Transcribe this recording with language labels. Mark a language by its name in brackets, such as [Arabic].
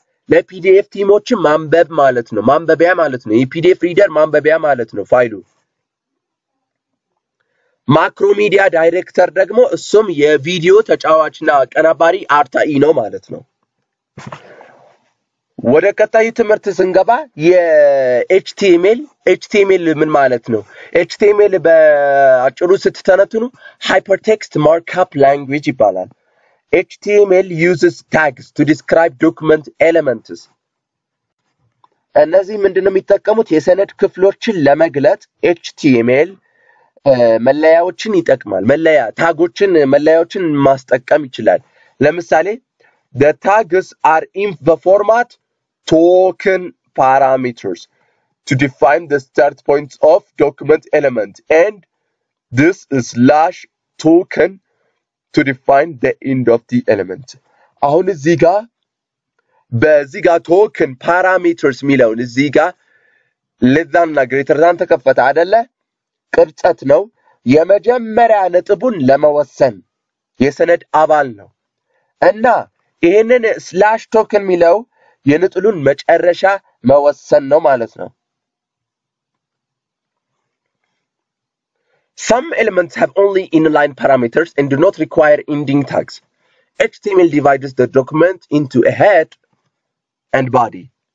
[Amharic] ለPDF ቲሞችን ማንበብ ማለት ነው። ማንበቢያ ማለት ነው። የPDF reader ማንበቢያ ማለት ነው ፋይሉ። ማክሮሚዲያ ዳይሬክተር ደግሞ እሱም የቪዲዮ ተጫዋችና ቀናባሪ አርታኢ ነው ማለት ነው። ወደ ቀጣይ ትምህርት ስንገባ የHTML ምን ማለት ነው? HTML በአጭሩ ስትተነትኑ Hypertext Markup Language ይባላል። [English] HTML uses tags to describe document elements. [Amharic] እነዚህ ምንድነው የሚጠቀሙት? የሰነድ ክፍሎችን ለመግለጽ HTML መለያዎችን ይጠቅማል። መለያ ታጎችን መለያዎችን ማስጠቀም ይችላል። ለምሳሌ [English] the tags are in the format token parameters to define the start points of document element and this slash token to define the end of the element. [Amharic] አሁን እዚህ ጋር በዚህ ጋር token parameters ሚለውን እዚህ ጋር ለዛና [English] greater than [Amharic] ተከፈተ አይደለ? ቅርጸት ነው። የመጀመሪያ ነጥቡን ለመወሰን የሰነድ አባል ነው። እና ይሄንን ስላሽ ቶክን ሚለው የነጥሉን መጨረሻ መወሰን ነው ማለት ነው። [English] Some elements have only inline parameters and do not require ending tags. HTML divides the document into a head and body.